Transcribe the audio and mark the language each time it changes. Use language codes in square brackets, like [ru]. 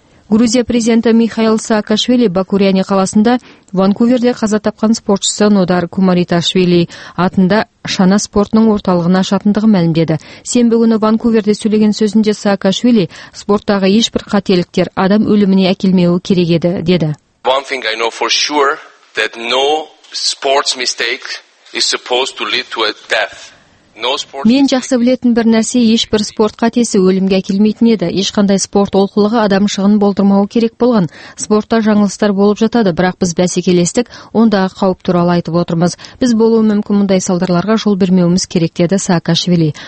[kk] Грузия президенті Михаил Саакашвили Бакуриани қаласында Ванкуверде қаза тапқан спортшысы Нодар Кумариташвили атында шана спортының орталығына шатындығы мәлімдеді. Сенбі күні Ванкуверде сөйлеген сөзінде Саакашвили спорттағы ешбір қателіктер адам өліміне әкелмеуі керек еді деді. [en] One thing I know for sure that no sports mistake is supposed to lead to a death. [kk] Мен жақсы білетін бір нәрсе ешбір спорт қатесі өлімге әкелмейтін еді. Ешқандай спорт олқылығы адам шығын болдырмауы керек болған. Спортта жаңылыстар болып жатады, бірақ біз бәсекелестік, ондағы қауіп туралы айтып отырмыз. Біз болуы мүмкін мұндай салдарларға жол бермеуіміз керек деді Саакашвили.